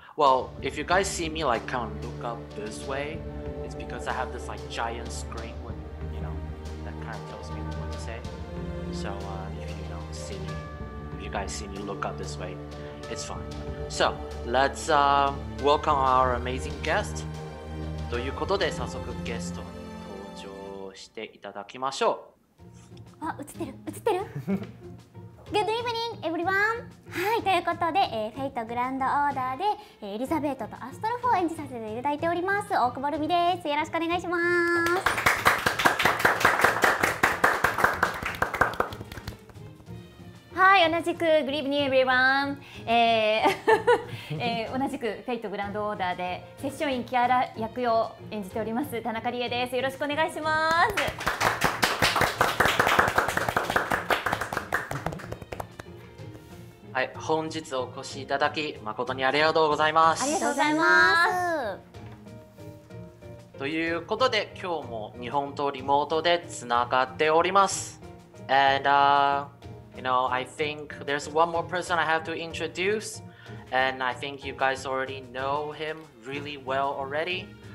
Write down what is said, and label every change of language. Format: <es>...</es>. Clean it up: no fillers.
<en>Well, if you guys see me like kind of look up this way, it's because I have this like giant screen with, you know, that kind of tells me what to say. So if you don't see me, if you guys see me look up this way, it's fine. So let's welcome our amazing guest.</en> <ja>ということで早速ゲストに登場していただきましょう。あ、映ってる、映ってる。 Good evening, everyone! はい、ということで、Fate Grand Order で、エリザベートとアストロフォーを演じさせていただいております、大久保ルミです。よろしくお願いします。はい、同じく、 Good evening, everyone! 同じく、Fate Grand Order で、セッションインキアラ役を演じております、田中理恵です。よろしくお願いします。はい、本日お越しいただき誠にありがとうございます。ありがとうございます。ということで今日も日本とリモートでつながっております。</ja> <en>And you know, I think there's one more person I have to introduce, and I think you guys already know him really well already.</en>